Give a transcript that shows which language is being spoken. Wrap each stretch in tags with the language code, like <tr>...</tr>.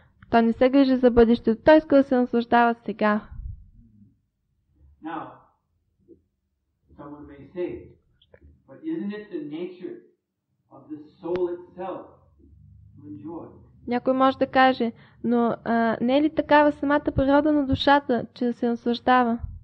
<bg>Той не се грижи за бъдещето. Той иска да се наслаждава сега.</bg> <en>Now, someone may say, but isn't it the nature of the soul itself to enjoy?</en> <bg>Някой може да каже, но не е ли такава самата природа на душата, че да се наслаждава?</bg>